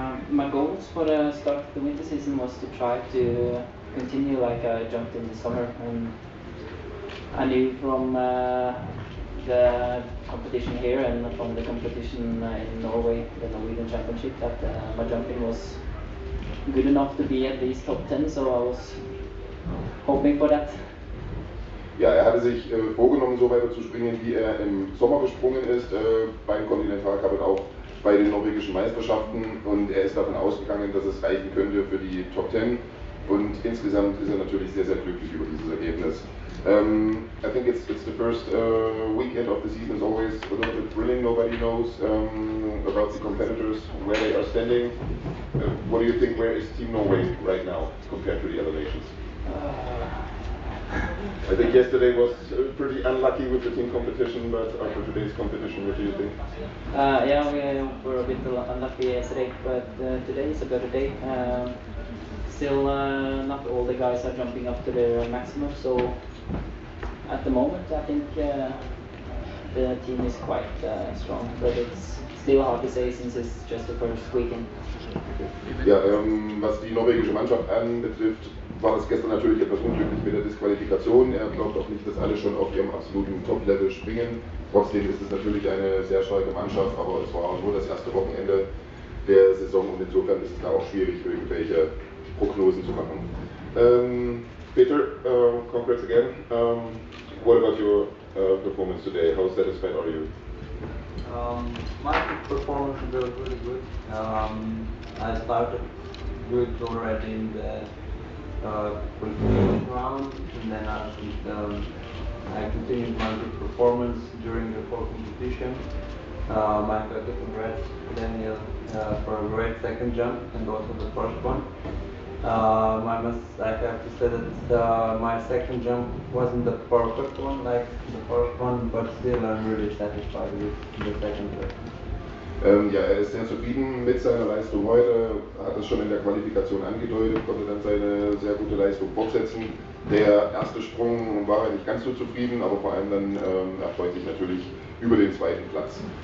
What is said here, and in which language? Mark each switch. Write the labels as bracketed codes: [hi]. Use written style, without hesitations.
[en] My goals for the start of the winter season was to try to continue like I jumped in the summer, and I knew from the competition here and from the competition in Norway, the Norwegian Championship, that my jumping was good enough to be at least top 10, so I was hoping for that. [de] Ja, er hatte sich vorgenommen, so weiter zu springen, wie er im Sommer gesprungen ist, beim Continental Cup und auch bei den norwegischen Meisterschaften, und er ist davon ausgegangen, dass es reichen könnte für die Top 10, und insgesamt ist er natürlich sehr, sehr glücklich über dieses Ergebnis. [en] I think it's the first weekend of the season, is always a little bit thrilling. Nobody knows about the competitors, where they are standing. What do you think, where is Team Norway right now compared to the other nations? I think yesterday was pretty unlucky with the team competition, but after today's competition, what do you think? Yeah, we were a bit unlucky yesterday, but today is a better day. Still, not all the guys are jumping up to their maximum, so at the moment, I think the team is quite strong, but it's still hard to say since it's just the first weekend. [de] Ja, was die norwegische Mannschaft anbetrifft, war das gestern natürlich etwas unglücklich mit der Disqualifikation. Er glaubt auch nicht, dass alle schon auf ihrem absoluten Top-Level springen. Trotzdem ist es natürlich eine sehr starke Mannschaft, aber es war nur das erste Wochenende der Saison, und insofern ist es da auch schwierig, irgendwelche Prognosen zu machen. [en] Peter, congrats again. What about your performance today? How satisfied are you? My performance was really good. I started good already in the qualification round, and then I continued my good performance during the full competition. I got to congrats Daniel for a great second jump and also the first one. I have to say that my second jump wasn't the perfect one like the first one, but still I'm really satisfied with the second jump. [de] Ja, er ist sehr zufrieden mit seiner Leistung heute, hat es schon in der Qualifikation angedeutet, konnte dann seine sehr gute Leistung fortsetzen. Der erste Sprung war er nicht ganz so zufrieden, aber vor allem dann erfreut sich natürlich über den zweiten Platz.